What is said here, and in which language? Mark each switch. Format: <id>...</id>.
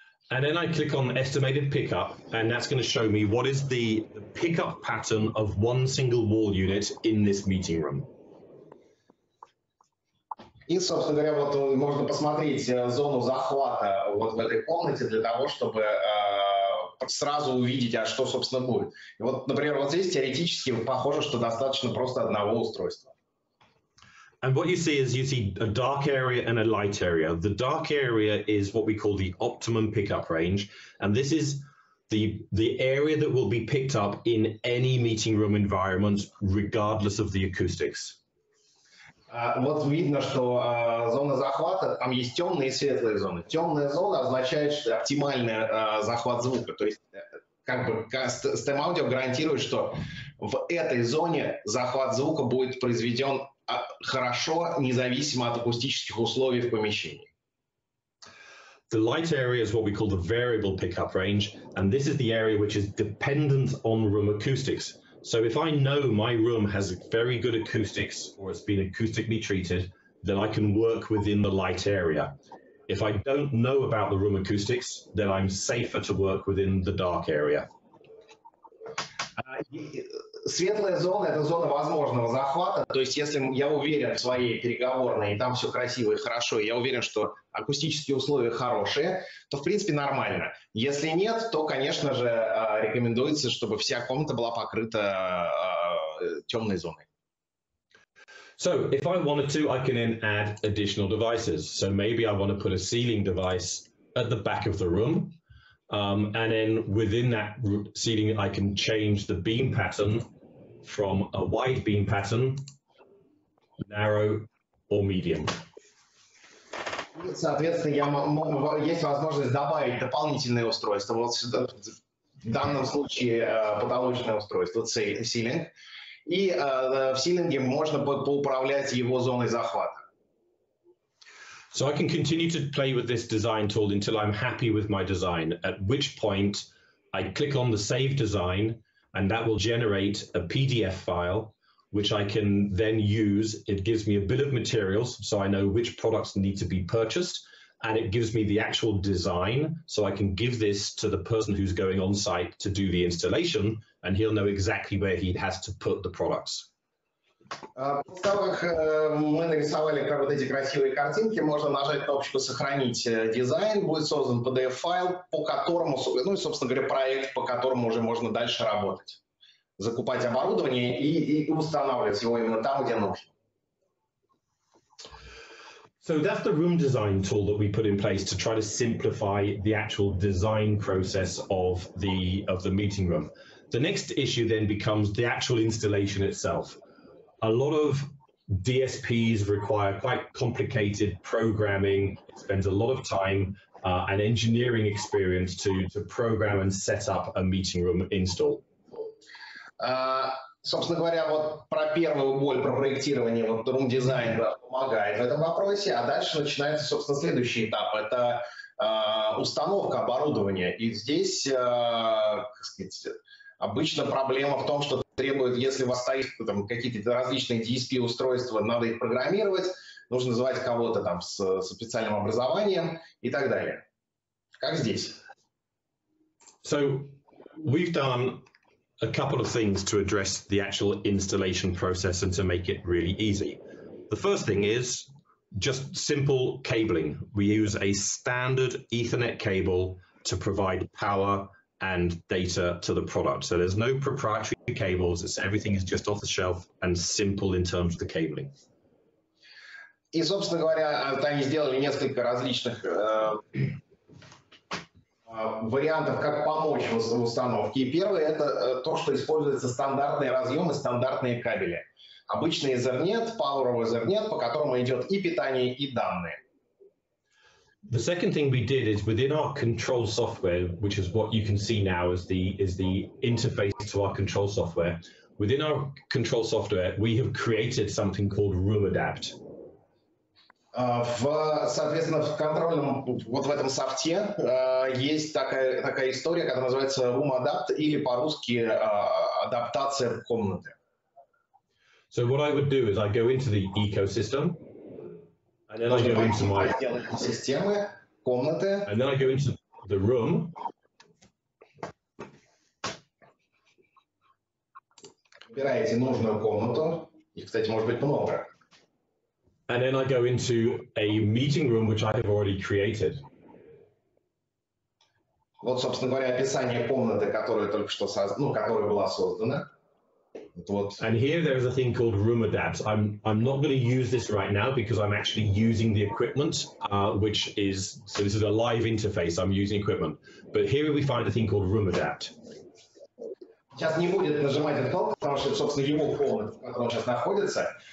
<en>And then I click on estimated pickup, and that's going to show me what is the pickup pattern of one single wall unit in this meeting room.</en> <ru>И, собственно говоря, вот можно посмотреть зону захвата вот в этой комнате для того, чтобы сразу увидеть, а что, собственно, будет. И вот, например, вот здесь теоретически похоже, что достаточно просто одного устройства.</ru> <en>And what you see a dark area and a light area. The dark area is what we call the optimum pickup range, and this is the area that will be picked up in any meeting room environment, regardless of the acoustics.</en> <ru>Вот видно, что зона захвата, там есть темные и светлые зоны. Темная зона означает, что оптимальный захват звука. То есть, как бы, StemAudio гарантирует, что в этой зоне захват звука будет произведен хорошо, независимо от акустических условий в помещении.</ru> <en>The light area is what we call the variable pickup range, and this is the area which is dependent on room acoustics. So if I know my room has very good acoustics or it's been acoustically treated, then I can work within the light area. If I don't know about the room acoustics, then I'm safer to work within the dark area.</en> <ru>Светлая зона – это зона возможного захвата. То есть если я уверен в своей переговорной, и там все красиво и хорошо, и я уверен, что акустические условия хорошие, то в принципе нормально. Если нет, то, конечно же, рекомендуется, чтобы вся комната была покрыта темной зоной.</ru> <en>So if I wanted to, I can then add additional devices. So maybe I want to put a ceiling device at the back of the room. And then within that ceiling, I can change the beam pattern from a wide beam pattern, narrow or medium.</en> <ru>Соответственно, есть возможность добавить дополнительные устройства. Вот сюда, в данном случае потолочное устройство, ceiling. И в силинге можно поуправлять его зоной захвата.</ru> <en>So I can continue to play with this design tool until I'm happy with my design, at which point I click on the save design, and that will generate a PDF file, which I can then use. It gives me a bill of materials, so I know which products need to be purchased, and it gives me the actual design, so I can give this to the person who's going on site to do the installation, and he'll know exactly where he has to put the products.</en> <ru>После того, как мы нарисовали как вот эти красивые картинки, можно нажать кнопочку «Сохранить дизайн», будет создан PDF-файл, по которому, ну и, собственно говоря, проект, по которому уже можно дальше работать, закупать оборудование и устанавливать его именно там, где нужно.</ru> <en>So that's the room design tool that we put in place to try to simplify the actual design process of the meeting room. The next issue then becomes the actual installation itself. A lot of DSPs require quite complicated programming. It spends a lot of time and engineering experience to program and set up a meeting room install.</en> <ru>Собственно говоря, вот про первую боль, про проектирование, вот room design помогает в этом вопросе, а дальше начинается, собственно, следующий этап. Это установка оборудования. И здесь, как сказать, обычно проблема в том, что требует, если у вас стоит там какие-то различные DSP устройства, надо их программировать, нужно звать кого-то там с специальным образованием и так далее. Как здесь?</ru> <en>So we've done a couple of things to address the actual installation process and to make it really easy. The first thing is just simple cabling. We use a standard Ethernet cable to provide power and data to the product. So there's no proprietary cables. It's everything is just off the shelf and simple in terms of the cabling.</en> <ru>И, собственно говоря, они сделали несколько различных вариантов, как помочь в установке. И первое – это то, что используются стандартные разъемы, стандартные кабели. Обычный Ethernet, Power Ethernet, по которому идет и питание, и данные.</ru> <en>The second thing we did is within our control software, which is what you can see now is the interface to our control software. Within our control software, we have created something called Room Adapt.</en> <ru>Соответственно, в контрольном, вот в этом софте, есть такая история, которая называется Room Adapt, или по-русски адаптация комнаты.</ru> <en>So what I would do is I go into the ecosystem. And then I go into my</en> <ru>системы, комнаты.</ru> <en>And then I go into the room.</en> <ru>Выбираете нужную комнату. И, кстати, может быть много.</ru> <en>And then I go into a meeting room, which I have already created.</en> <ru>Вот, собственно говоря, описание комнаты, которая только что которая была создана.</ru> <en>And here there is a thing called Room Adapt. I'm not going to use this right now because I'm actually using the equipment, which is, so this is a live interface, I'm using equipment. But here we find a thing called Room Adapt.</en> <ru>Сейчас не будет нажимать этот кнопку, потому что, собственно, его комната, в которой он сейчас находится.</ru>